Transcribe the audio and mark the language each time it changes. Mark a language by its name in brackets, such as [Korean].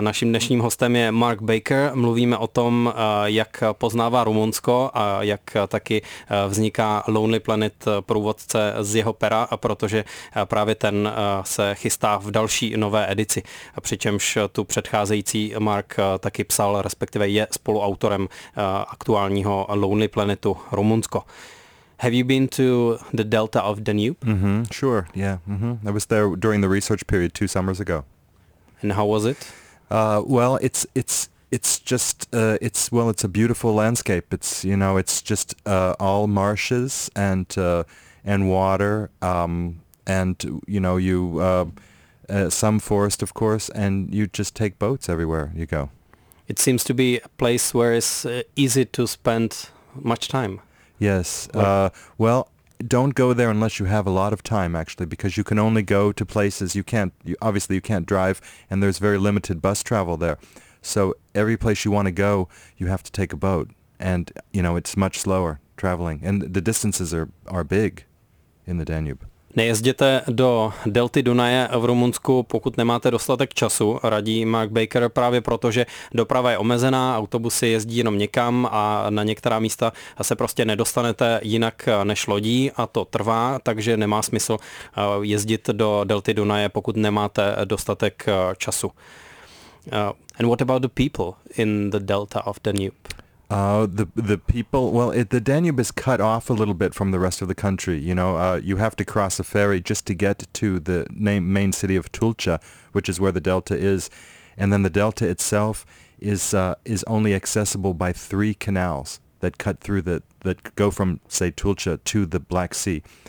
[Czech] Naším dnešním hostem je Mark Baker. Mluvíme o tom, jak poznává Rumunsko a jak taky vzniká Lonely Planet průvodce z jeho pera, protože právě ten se chystá v další nové edici. Přičemž tu předcházející Mark taky psal, respektive je spoluautorem aktuálního Lonely Planetu Rumunsko. [English] Have you been to the Delta of Danube? Mm-hmm. Sure, yeah. Mm-hmm. I was there during the research period 2 summers ago. And how was it? Well, it's a beautiful landscape. It's, you know, it's just all marshes and water, and you know, you some forest, of course, and you just take boats everywhere you go. It seems to be a place where it's easy to spend much time. Yes. Well, don't go there unless you have a lot of time, actually, because you can only go to places you can't drive, and there's very limited bus travel there. So every place you want to go, you have to take a boat, and you know it's much slower traveling, and the distances are big in the Danube. [Czech] Nejezděte do delty Dunaje v Rumunsku, pokud nemáte dostatek času, radí Mark Baker, právě proto, že doprava je omezená, autobusy jezdí jenom někam a na některá místa se prostě nedostanete jinak než lodí a to trvá, takže nemá smysl jezdit do delty Dunaje, pokud nemáte dostatek času. [English] And what about the people in the delta of Danube? The people, well, the Danube is cut off a little bit from the rest of the country. You know, you have to cross a ferry just to get to the main city of Tulcea, which is where the delta is. And then the delta itself is only accessible by 3 canals that cut through that go from, say, Tulcea to the Black Sea.